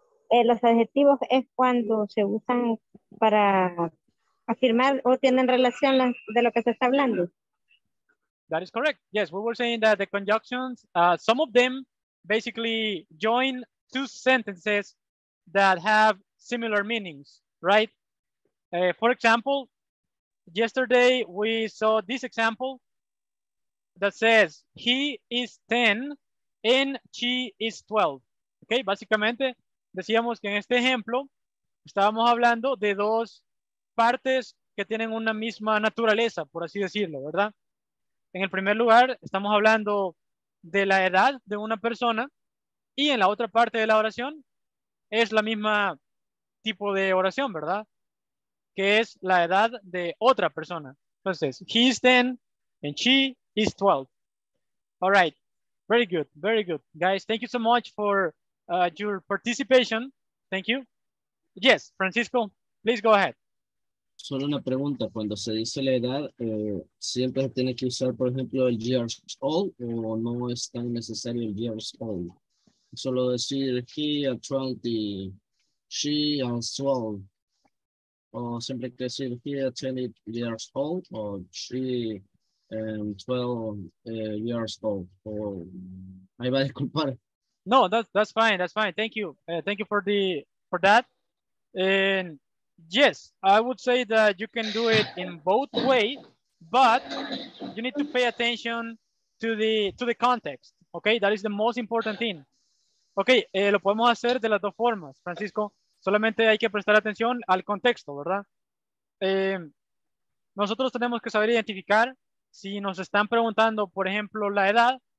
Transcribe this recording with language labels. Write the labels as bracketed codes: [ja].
[es] Los adjetivos es cuando se usan para afirmar o tienen relación de lo que se está hablando. [en] That is correct. Yes, we were saying that the conjunctions, some of them basically join two sentences that have similar meanings, right? For example, yesterday we saw this example that says he is 10 and she is 12. [es] Okay, básicamente decíamos que en este ejemplo estábamos hablando de dos partes que tienen una misma naturaleza, por así decirlo, ¿verdad? En el primer lugar, estamos hablando de la edad de una persona y en la otra parte de la oración es la misma tipo de oración, ¿verdad? Que es la edad de otra persona. Entonces, [en] he is 10 and she is 12. All right. Very good. Very good. Guys, thank you so much for your participation. Thank you. Yes, Francisco, please go ahead. [es] Solo una pregunta, cuando se dice la edad, ¿siempre se tiene que usar, por ejemplo, el [en] years old [es] o no es tan necesario el years old? Solo decir [en] he a 20, she a 12, [es] o siempre hay que decir [en] he a 20 years old [es] o [en] she a 12 years old. [es] O, ahí va a disculpar. [en] No, that's fine, that's fine. Thank you. Thank you for that. And yes, I would say that you can do it in both ways, but you need to pay attention to the context, okay? That is the most important thing. [es] Okay, lo podemos hacer de las dos formas, Francisco. Solamente hay que prestar atención al contexto, ¿verdad? Nosotros tenemos que saber identificar si nos están preguntando, por ejemplo, la edad.